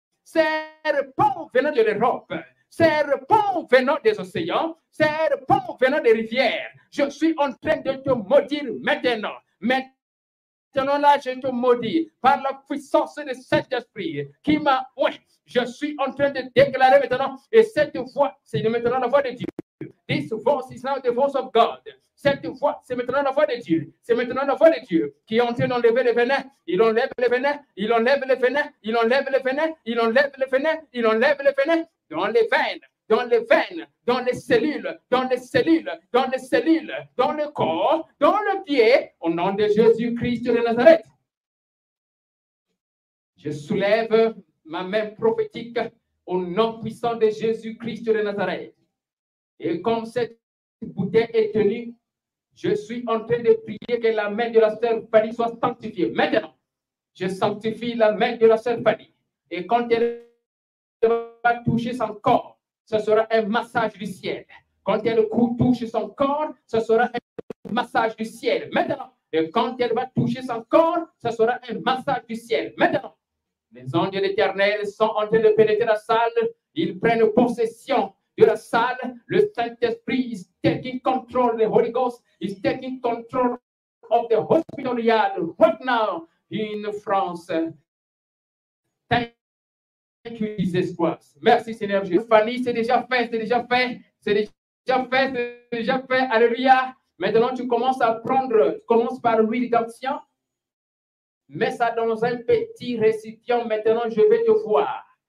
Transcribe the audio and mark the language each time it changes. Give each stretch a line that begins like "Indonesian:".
French: Serpent venant de l'Europe. Serpent venant des océans. Serpent venant des rivières. Je suis en train de te maudire maintenant. Maintenant là, je te maudis par la puissance de Saint-Esprit qui m'a... Oui, je suis en train de déclarer maintenant. Et cette voix, c'est maintenant la voix de Dieu.
English: This voice is now the voice of God.
French: Cette voix, c'est maintenant la voix de Dieu. C'est maintenant la voix de Dieu qui est en train d'enlever les venins. Il enlève les venins. Il enlève les venins. Il enlève les venins. Il enlève les venins. Il enlève les venins. Dans les veines. Dans les veines. Dans les cellules. Dans les cellules. Dans les cellules. Dans le corps. Dans le pied. Au nom de Jésus-Christ de Nazareth. Je soulève ma main prophétique au nom puissant de Jésus-Christ de Nazareth. Et comme cette bouteille est tenue, je suis en train de prier que la main de la sœur Fanny soit sanctifiée. Maintenant, je sanctifie la main de la sœur Fanny. Et quand elle va toucher son corps, ce sera un massage du ciel. Quand elle touche son corps, ce sera un massage du ciel. Maintenant, et quand elle va toucher son corps, ce sera un massage du ciel. Maintenant, les anges de l'Éternel sont en train de pénétrer la salle. Ils prennent possession de la salle.
English: Le Saint-Esprit is taking control, the Holy Ghost is taking control of the hospital yard right now in France. Thank you, Jesus Christ.
French: Merci, Seigneur Jésus. Fanny, c'est déjà fait, c'est déjà fait, c'est déjà fait, c'est déjà fait. Alléluia. Maintenant, tu commences à prendre, commence par l'huile d'onction. Mets ça dans un petit récipient. Maintenant, je vais te voir.